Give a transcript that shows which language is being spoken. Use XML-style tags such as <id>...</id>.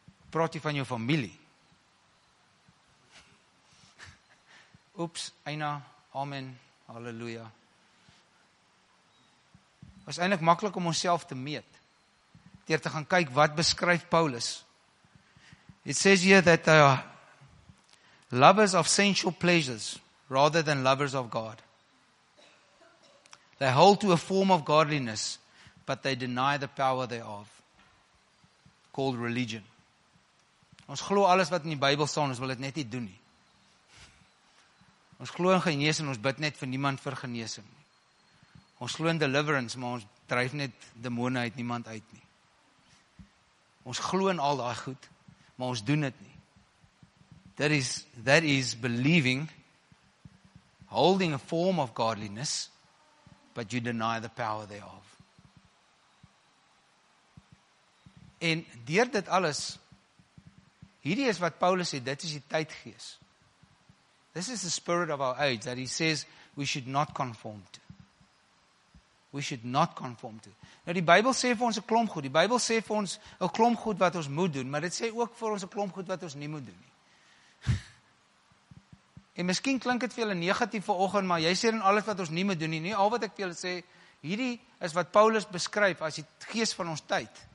<af>Praat jy van jou familie? Oeps, Eina, amen. Halleluja. Was eintlik maklik om onsself te meet. Deur te gaan kyk wat beskryf Paulus.</af> <en>It says here that they are lovers of sensual pleasures rather than lovers of God. They hold to a form of godliness, but they deny the power thereof, called religion.</en> <af>Ons glo alles wat in die Bybel staan, ons wil dit net nie doen nie. Ons glo in geneesing, ons bid net vir niemand vir geneesing. Ons glo in deliverance, maar ons dryf net demone uit niemand uit nie. Ons glo in al daai goed, maar ons doen dit nie.</af> <en>That is believing, holding a form of godliness, but you deny the power thereof.</en> <af>En deur dit alles, hierdie is wat Paulus sê, dit is die tydgees.</af> <en>This is the spirit of our age that he says we should not conform to. We should not conform to.</en> <af>Nou die Bybel sê vir ons 'n klomp goed. Die Bybel sê vir ons 'n klomp goed wat ons moet doen, maar dit sê ook vir ons 'n klomp goed wat ons nie moet doen nie. En miskien klink dit vir julle negatief vanoggend, maar jy sê dan alles wat ons nie moet doen nie. Nie al wat ek vir julle sê, hierdie is wat Paulus beskryf as die gees van ons tyd.</af>